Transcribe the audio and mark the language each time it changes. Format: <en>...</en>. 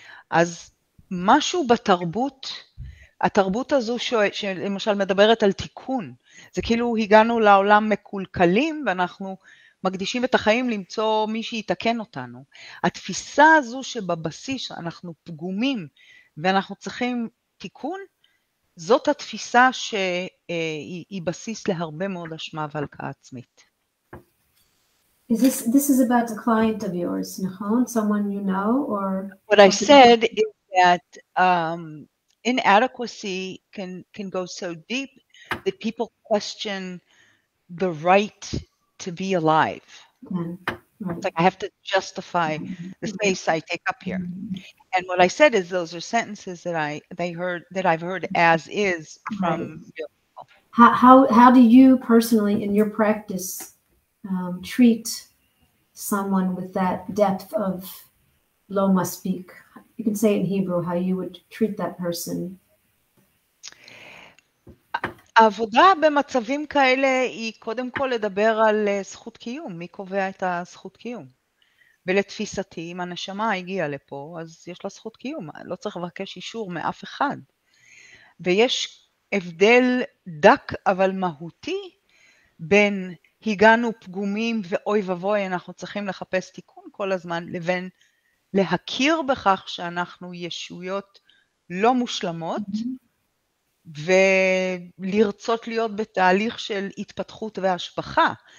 <he>אז משהו בתרבות, התרבות הזו שלמשל מדברת על תיקון, זה כאילו הגענו לעולם מקולקלים ואנחנו מקדישים את החיים למצוא מי שיתקן אותנו. התפיסה הזו שבבסיס אנחנו פגומים ואנחנו צריכים תיקון, זאת התפיסה שהיא בסיס להרבה מאוד אשמה והלקאה עצמית.</he> <en>This is about a client of yours,</en> <he>נכון?</he> <en>Someone you know, or what I said is that inadequacy can go so deep that people question the right to be alive. Mm-hmm. It's like I have to justify the space I take up here. And what I said is those are sentences that I've heard as is from you. How do you personally in your practice treat someone with that depth of</en> <he>lo maspik?</he> <en>You can say in Hebrew how you would treat that person.</en> <he>עבודה במצבים כאלה היא קודם כל לדבר על זכות קיום, מי קובע את הזכות קיום. ולתפיסתי, אם הנשמה הגיעה לפה, אז יש לה זכות קיום, לא צריך לבקש אישור מאף אחד. ויש הבדל דק אבל מהותי בין הגענו פגומים ואוי ובוי אנחנו צריכים לחפש תיקון כל הזמן, לבין להכיר בכך שאנחנו ישויות לא מושלמות, ולרצות להיות בתהליך של התפתחות והשפחה.</he>